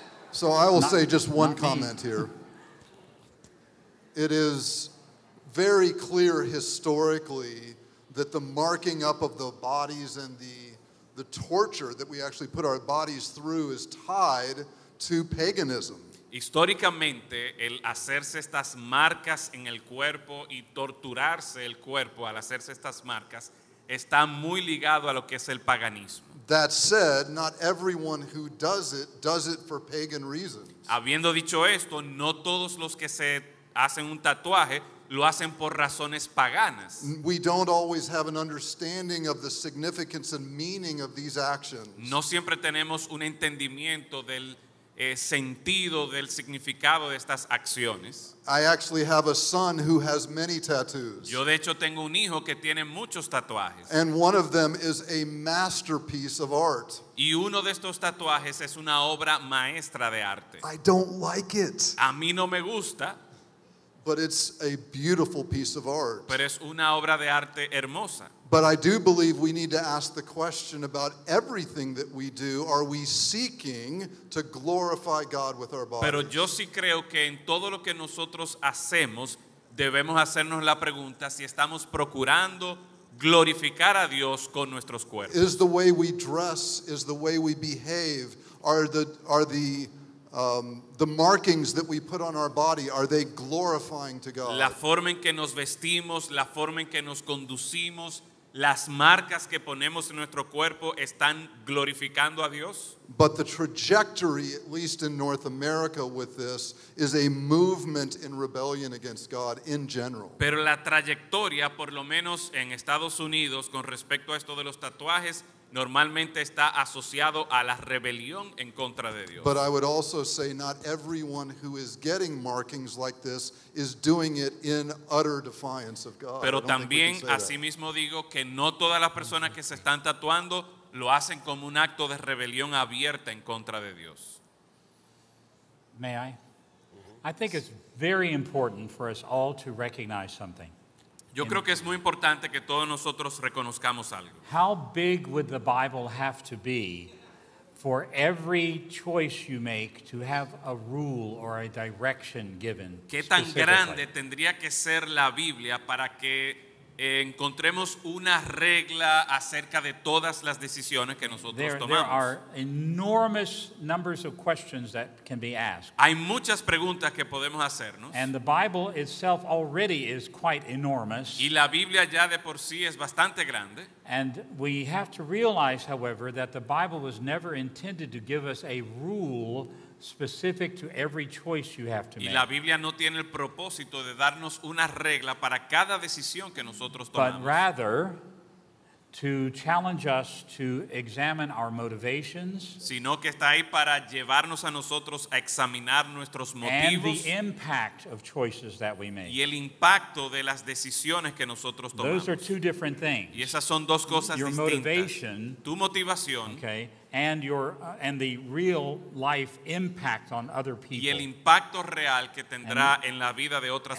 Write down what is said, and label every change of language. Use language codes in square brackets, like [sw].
[en] So I will say just one comment here. It is very clear historically that the marking up of the bodies and the torture that we actually put our bodies through is tied to paganism. [es] Históricamente, el hacerse estas marcas en el cuerpo y torturarse el cuerpo al hacerse estas marcas está muy ligado a lo que es el paganismo. [en] That said, not everyone who does it for pagan reasons. [es] Habiendo dicho esto, no todos los que se hacen un tatuaje lo hacen por razones paganas. [en] We don't always have an understanding of the significance and meaning of these actions. [es] No siempre tenemos un entendimiento del sentido del significado de estas acciones. [en] I actually have a son who has many tattoos. [es] Yo de hecho tengo un hijo que tiene muchos tatuajes. [en] And one of them is a masterpiece of art. [es] Y uno de estos tatuajes es una obra maestra de arte. [en] I don't like it. [es] A mí no me gusta. [en] But it's a beautiful piece of art. [es] Pero es una obra de arte hermosa. [en] But I do believe we need to ask the question about everything that we do. Are we seeking to glorify God with our bodies? [es] Pero yo sí creo que en todo lo que nosotros hacemos, debemos hacernos la pregunta si estamos procurando glorificar a Dios con nuestros cuerpos. [en] Is the way we dress, is the way we behave, are the markings that we put on our body, are they glorifying to God? [es] La forma en que nos vestimos, la forma en que nos conducimos, las marcas que ponemos en nuestro cuerpo están glorificando a Dios. [en] But the trajectory, at least in North America with this, is a movement in rebellion against God in general. [es] Pero la trayectoria, por lo menos en Estados Unidos, con respecto a esto de los tatuajes, normalmente está asociado a la rebelión en contra de Dios. [en] But I would also say not everyone who is getting markings like this is doing it in utter defiance of God. [es] Pero también asimismo digo que no todas las personas que se están tatuando lo hacen como un acto de rebelión abierta en contra de Dios. [en] May I? I think it's very important for us all to recognize something. [es] Yo creo que es muy importante que todos nosotros reconozcamos algo. [en] How big would the Bible have to be for every choice you make to have a rule or a direction given? [es] ¿Qué tan grande tendría que ser la Biblia para que encontremos una regla acerca de todas las decisiones que nosotros tomamos? [en] There are enormous numbers of questions that can be asked. [es] Hay muchas preguntas que podemos hacernos. [en] And the Bible itself already is quite enormous. [es] Y la Biblia ya de por sí es bastante grande. [en] And we have to realize, however, that the Bible was never intended to give us a rule specific to every choice you have to make. [es] Y la Biblia no tiene el propósito de darnos una regla para cada decisión que nosotros tomamos. [en] But rather, to challenge us to examine our motivations, [es] sino que está ahí para llevarnos a nosotros a examinar nuestros motivos, [en] and the impact of choices that we make. [es] Y el impacto de las decisiones que nosotros tomamos. [en] Those are two different things. [es] Y esas son dos cosas distintas. [en] Your motivation, [es] tu motivación, [en] okay, and your and the real life impact on other people. [es] Y el impacto real que tendrá en la vida de otras